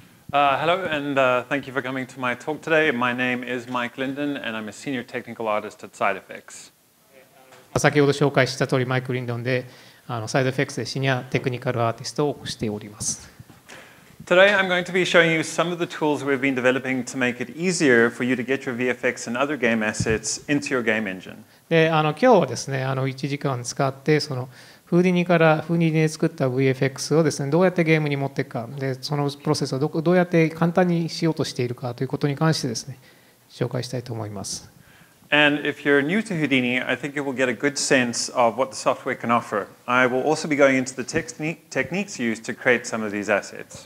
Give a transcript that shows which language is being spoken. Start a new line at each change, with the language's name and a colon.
English: Hello and thank you for coming to my talk today. My name is Mike Lyndon and I'm a senior technical artist at SideFX.
Japanese: 先ほど紹介した通りマイク・リンドンで、SideFX でシニアテクニカルアーティストをしております。
English: Today I'm going to be showing you some of the tools we've been developing to make it easier for you to get your VFX and other game assets into your game engine.
Japanese: で、今日はですね、1時間使ってそのHoudiniからHoudiniで作った VFX をですね、どうやってゲームに持っていくか、で、そのプロセスをどうやって簡単にしようとしているかということに関してですね、紹介したいと思います。
English: And if you're new to Houdini, I think you will get a good sense of what the software can offer. I will also be going into the techniques used to create some of these assets.